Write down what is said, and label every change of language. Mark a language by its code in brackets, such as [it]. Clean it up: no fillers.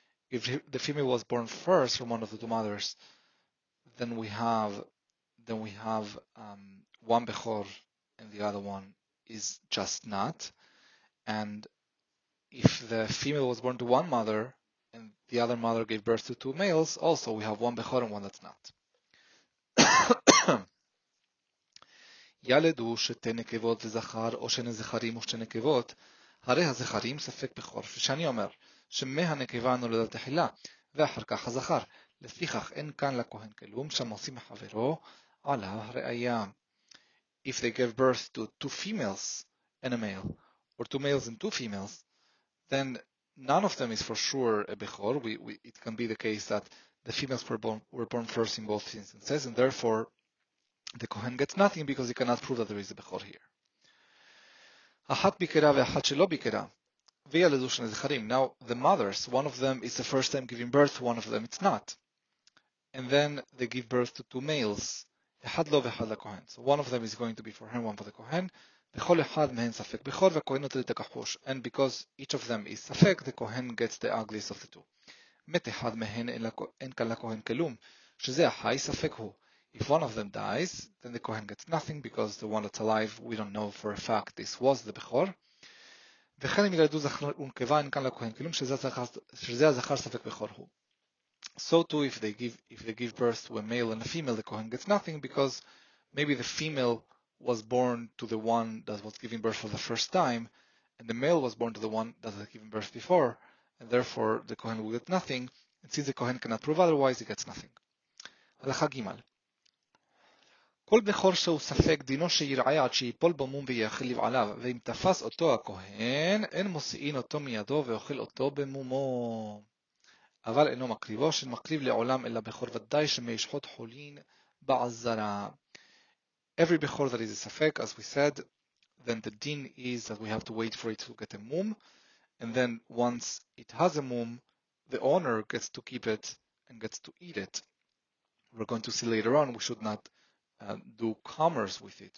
[en] If the female was born first from one of the two mothers, then we have one Bechor, and the other one is just not. And if the female was born to one mother and the other mother gave birth to two males, also we have one Bechor and one that's not. [he] ילדו שתי נקבות וזכר או שני זכרים או שתי נקבות, הרי הזכרים ספק בכור, ושאני אומר שמהנקבה נולדה תחילה ואחר כך הזכר. לפיכך אין כאן לכהן כלום שם עושים מחברו עליו הראייה. [en] If they gave birth to two females and a male, or two males and two females, then none of them is for sure a Bechor. It can be the case that the females were born first in both instances, and therefore the Kohen gets nothing because he cannot prove that there is a Bechor here. [he] Ahat bikera ve'ahat shelo bikera. Ve'yaledu shnei zecharim. [en] Now, the mothers, one of them is the first time giving birth, one of them it's not. And then they give birth to two males, [he] אחד לו ואחד לכהן. [en] So one of them is going to be for him, one for the Kohen. [he] בכל אחד מהם ספק בכור, והכהן נוטל את הכחוש. [en] And because each of them is ספק, the Kohen gets the ugliest of the two. [he] מת אחד מהם, אין כאן לכהן כלום, שזה החי ספק הוא. [en] If one of them dies, then the Kohen gets nothing, because the one that's alive, we don't know for a fact this was the Bechor. [he] וכן אם ילדו זכר ונקבה, אין כאן לכהן כלום, שזה הזכר ספק בכור הוא. [en] So too, if they give birth to a male and a female, the Kohen gets nothing, because maybe the female was born to the one that was giving birth for the first time, and the male was born to the one that had given birth before, and therefore the Kohen will get nothing, and since the Kohen cannot prove otherwise, he gets nothing. [he] הלכה גימל. כל בכור שהוא ספק דינו שירעה עד שיפול בו מום ויאכל לבעליו, ואם תפס אותו הכהן, אין מוסיעין אותו מידו ואוכל אותו במומו. אבל אינו מקריבו, שאין מקריב לעולם אלא בכור ודאי שמשחוט חולין בעזרה. [en] Every bechor that is a safek, as we said, then the din is that we have to wait for it to get a mum, and then once it has a mum, the owner gets to keep it and gets to eat it. We're going to see later on, we should not do commerce with it.